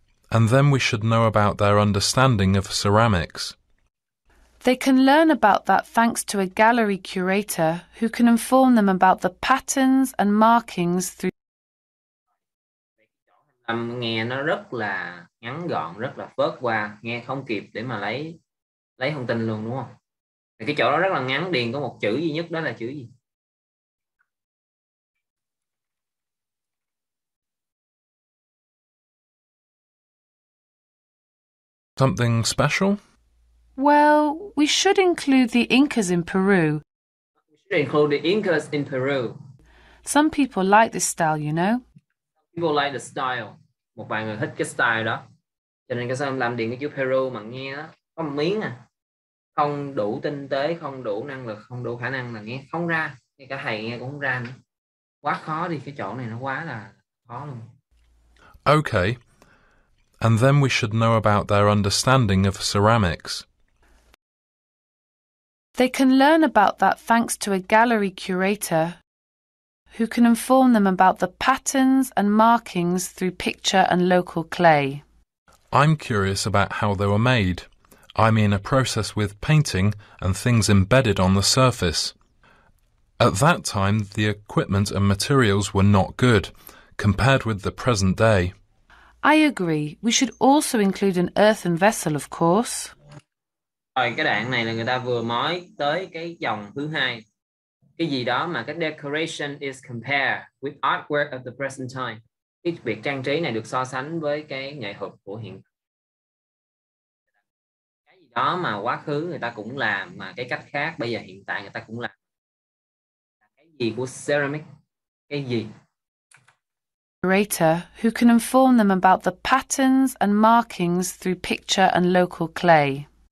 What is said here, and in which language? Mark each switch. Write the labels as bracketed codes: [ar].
[en] And then we should know about their understanding of ceramics. They can learn about that thanks to a gallery curator who can inform them about the patterns and markings through... [vi] Nghe nó rất là ngắn gọn, rất là phớt qua. Nghe không kịp để mà lấy thông tin luôn, đúng không? Cái chỗ đó rất là ngắn, điền có một chữ duy nhất, đó là chữ gì? [en] Something special? Well, we should include the Incas in Peru. We should include the Incas in Peru. Some people like this style, you know. People like the style. [vi] Một vài người thích cái style đó. Cho nên cái sao em làm điện cái chữ Peru mà nghe đó, có một miếng à. Không đủ tinh tế, không đủ năng lực, không đủ khả năng là nghe không ra. Ngay cả thầy nghe cũng không ra nữa. Quá khó đi, cái chỗ này nó quá là khó luôn. [en] Okay. And then we should know about their understanding of ceramics. They can learn about that thanks to a gallery curator who can inform them about the patterns and markings through picture and local clay. I'm curious about how they were made. I mean a process with painting and things embedded on the surface. At that time, the equipment and materials were not good, compared with the present day. I agree. We should also include an earthen vessel, of course. [vi] Rồi, cái đoạn này là người ta vừa mới tới cái dòng thứ hai. Cái gì đó mà cái [en] decoration is compared with artwork of the present time. [vi] Cái việc trang trí này được so sánh với cái nghệ thuật của hiện tại. Cái gì đó mà quá khứ người ta cũng làm, mà cái cách khác bây giờ hiện tại người ta cũng làm. Cái gì của ceramic? Cái gì? [en] Curator who can inform them about the patterns and markings through picture and local clay.